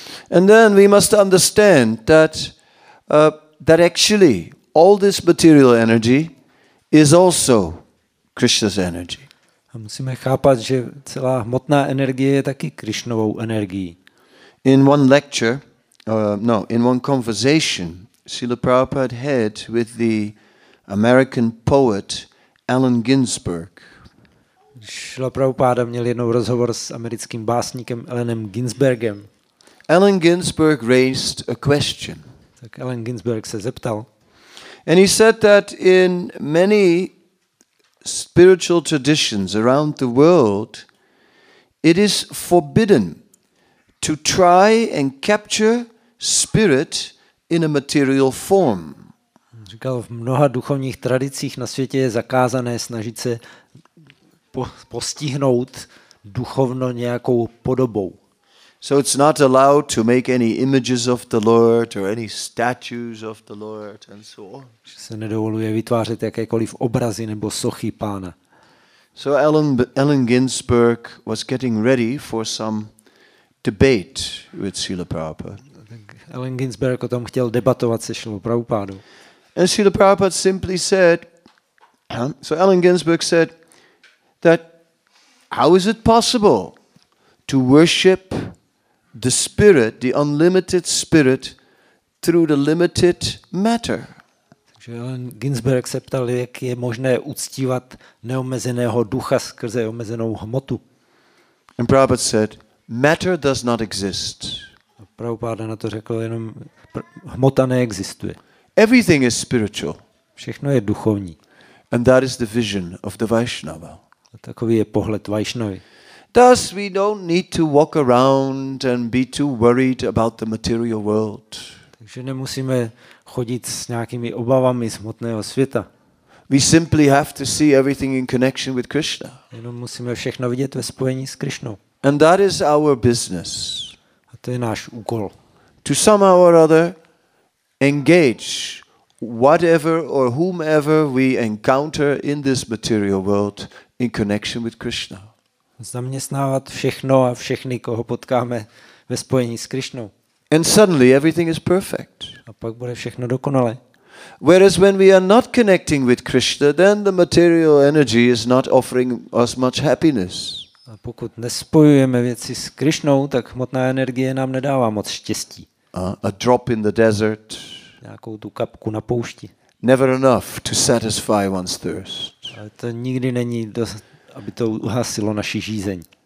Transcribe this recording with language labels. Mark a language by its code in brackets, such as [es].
[en] And then we must understand that that actually all this material energy is also Krishna's energy. [cs] A musíme chápat, že celá hmotná energie je taky Krišnovou energií. [en] In one lecture, in one conversation, Srila Prabhupada had with the American poet Allen Ginsberg. [cs] Srila Prabhupada měl jednou rozhovor s americkým básníkem Allenem Ginsbergem. [en] Allen Ginsberg raised a question. [cs] Tak Allen Ginsberg se zeptal. [en] And he said that in many spiritual traditions around the world, it is forbidden to try and capture spirit in a material form. [cs] Říkal, v mnoha duchovních tradicích na světě je zakázané snažit se postihnout duchovno nějakou podobou. [en] So it's not allowed to make any images of the Lord or any statues of the Lord and so on. [cs] Se nedovoluje vytvářet jakékoliv obrazy nebo sochy Pána. [en] So Allen Ginsberg was getting ready for some debate with Srila Prabhupada. [cs] Allen Ginsberg o tom chtěl debatovat se Srila Prabhupádou. [en] And Srila Prabhupada simply said, So Allen Ginsberg said that how is it possible to worship the spirit, the unlimited spirit, through the limited matter? [cs] Takže Allen Ginsberg se ptal, jak je možné uctívat neomezeného ducha skrze omezenou hmotu. [en] And Prabhupada said, matter does not exist. [cs] Prabhupada na to řekl, jenom hmota neexistuje. [en] Everything is spiritual. [cs] Všechno je duchovní. [en] And that is the vision of the Vaishnava. [cs] A takový je pohled Vaishnavy. [en] Thus we don't need to walk around and be too worried about the material world. [cs] Takže nemusíme chodit s nějakými obavami z hmotného světa. [en] We simply have to see everything in connection with Krishna. [cs] Jenom musíme všechno vidět ve spojení s Krishnou. [en] And that is our business. [cs] A to je náš úkol. [en] To somehow or other engage whatever or whomever we encounter in this material world in connection with Krishna. [cs] Zaměstnávat všechno a všechny, koho potkáme ve spojení s Krishnou. [en] And suddenly everything is perfect. [cs] A pak bude všechno dokonalé. [en] Whereas when we are not connecting with Krishna, then the material energy is not offering us much happiness. [cs] A pokud nespojujeme věci s Krishnou, tak hmotná energie nám nedává moc štěstí. [en] A drop in the desert. [cs] Nějakou tu kapku na poušti. [en] Never enough to satisfy one's thirst. [cs] Ale to nikdy není dost, aby to uhasilo naši žízeň.